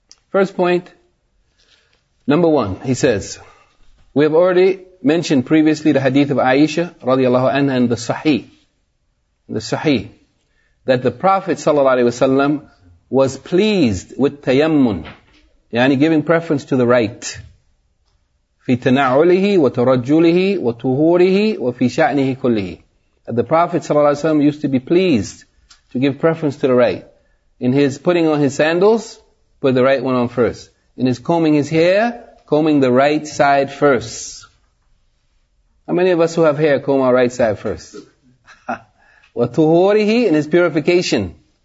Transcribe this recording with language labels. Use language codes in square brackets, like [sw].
[en] First point, number one, he says, we have already mentioned previously the hadith of Aisha, radiallahu anha, and the Sahih. That the Prophet sallallahu alaihi wasallam was pleased with tayammun, yani giving preference to the right. [ar] في تناولهِ وترجلهِ وطهورهِ وفي شأنهِ كلهِ. [en] The Prophet ﷺ used to be pleased to give preference to the right. In his putting on his sandals, put the right one on first. In his combing his hair, combing the right side first. How many of us who have hair comb our right side first? وَتُهُورِهِ in his purification.